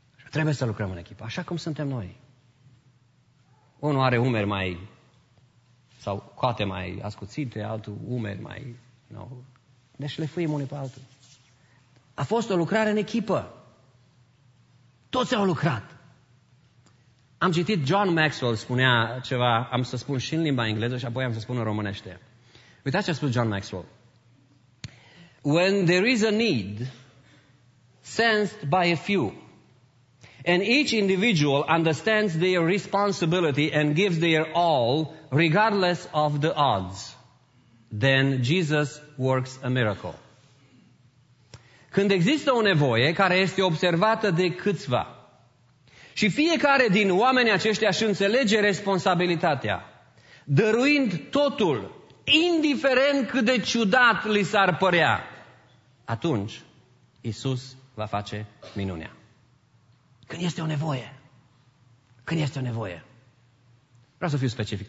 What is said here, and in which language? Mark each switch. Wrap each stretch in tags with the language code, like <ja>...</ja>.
<ro>Trebuie să lucrăm în echipă, așa cum suntem noi. Unul are umeri mai, sau coate mai ascuțite, altul umeri mai, nu? Ne șlefuim unii pe altul. A fost o lucrare în echipă. Toți au lucrat. Am citit, John Maxwell spunea ceva, am să spun și în limba engleză și apoi am să spun în românește. Uitați ce a spus John Maxwell.</ro> <en>When there is a need sensed by a few and each individual understands their responsibility and gives their all regardless of the odds, then Jesus works a miracle.</en> <ro>Când există o nevoie care este observată de câțiva și fiecare din oamenii aceștia își înțelege responsabilitatea, dăruind totul, indiferent cât de ciudat li s-ar părea, atunci Iisus va face minunea. Când este o nevoie. Când este o nevoie. Vreau să fiu specific.</ro>